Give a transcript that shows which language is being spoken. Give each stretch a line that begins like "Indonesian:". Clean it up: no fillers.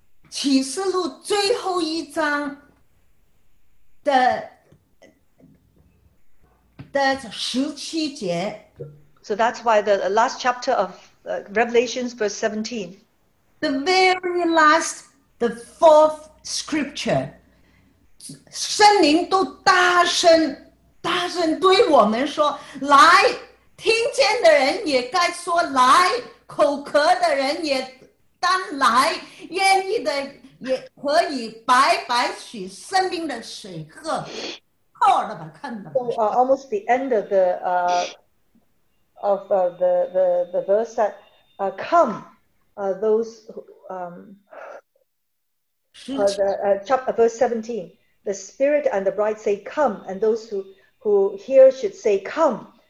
Chinese: 启示录最后一章的十七节。
English: So that's why the last chapter of Revelations, verse 17. The very last, the fourth scripture.
Chinese: 圣灵都大声对我们说，来，听见的人也该说来，口渴的人也当来，愿意的。也可以白白取生命的水喝。
English: Almost the end of the verse that come those verse 17. The spirit and the bride say come, and those who hear should say come.